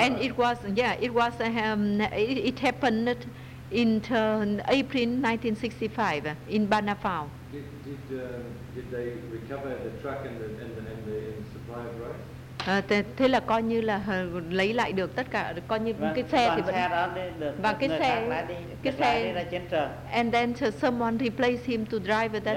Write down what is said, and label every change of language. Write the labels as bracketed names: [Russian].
[English] And it was it happened in April 1965 in Banafao. Did they recover the truck and the supply of rice? [Vietnamese] Thế là coi như là lấy lại được tất cả, coi như vâng, cái xe thì vẫn xe đó đi được, và cái xe đi, cái xe đi ra chiến trường. [English] And then someone replaced him to drive that